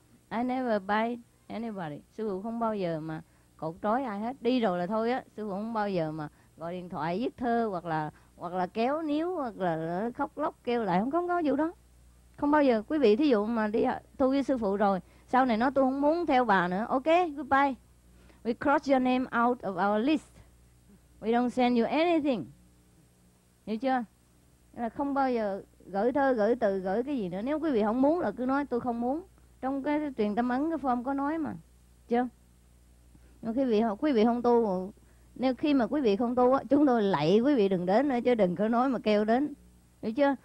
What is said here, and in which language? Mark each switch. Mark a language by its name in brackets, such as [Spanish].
[English] I never buy anybody. [Vietnamese] Sư phụ không bao giờ mà cột trói ai hết. Đi rồi là thôi á, sư phụ không bao giờ mà gọi điện thoại viết thơ hoặc là kéo níu hoặc là khóc lóc kêu lại, không có vụ đó. Không bao giờ. Quý vị thí dụ mà đi tu với sư phụ rồi, sau này nói tôi không muốn theo bà nữa, ok, goodbye. [English] We cross your name out of our list. We don't send you anything. [Vietnamese] Hiểu chưa? Là không bao giờ gửi thơ, gửi từ, gửi cái gì nữa. Nếu quý vị không muốn là cứ nói tôi không muốn. Trong cái truyền tâm ấn, cái form có nói mà. Chưa? Quý vị không tu, nếu khi mà quý vị không tu á, chúng tôi lạy quý vị đừng đến nữa, chứ đừng có nói mà kêu đến. Hiểu chưa?